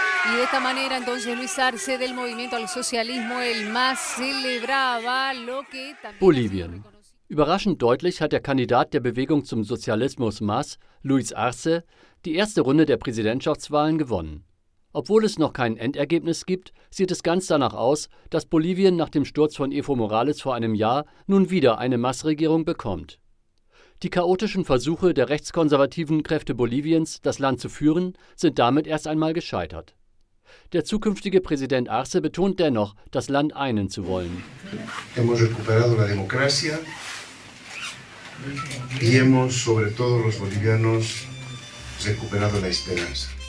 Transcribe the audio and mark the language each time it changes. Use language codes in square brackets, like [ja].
[es] Y de esta manera entonces Luis Arce del Movimiento al Socialismo el más celebraba lo que también [de] Bolivien. Überraschend deutlich hat der Kandidat der Bewegung zum Sozialismus MAS, Luis Arce, die erste Runde der Präsidentschaftswahlen gewonnen. Obwohl es noch kein Endergebnis gibt, sieht es ganz danach aus, dass Bolivien nach dem Sturz von Evo Morales vor einem Jahr nun wieder eine MAS-Regierung bekommt. Die chaotischen Versuche der rechtskonservativen Kräfte Boliviens, das Land zu führen, sind damit erst einmal gescheitert. Der zukünftige Präsident Arce betont dennoch, das Land einen zu wollen. [es] Hemos recuperado la democracia y hemos, sobre todo los bolivianos, recuperado la esperanza.